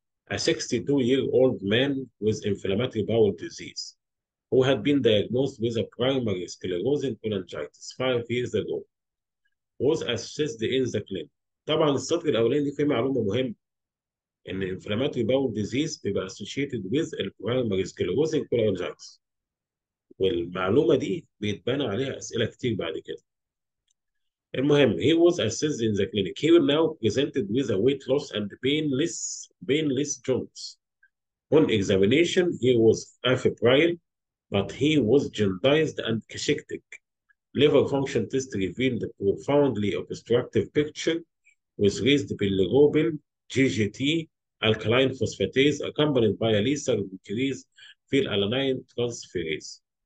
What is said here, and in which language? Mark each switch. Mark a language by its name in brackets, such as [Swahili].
[English] a 62-year-old man with inflammatory bowel disease who had been diagnosed with a primary sclerosing cholangitis 5 years ago was assessed in the clinic. [Arabic] طبعا السطر الاولاني دي فيه معلومه مهمه ان inflammatory bowel disease بيبقى [English] associated with the primary sclerosing cholangitis. [Arabic] والمعلومه دي بيتبنى عليها اسئله كتير بعد كده. المهم [English] he was assessed in the clinic. He will now presented with a weight loss and painless joints. On examination he was afebrile but he was jaundiced and cachectic. Liver function test revealed a profoundly obstructive picture with raised bilirubin GGT alkaline phosphatase accompanied by a lesser increase phenylalanine transferase.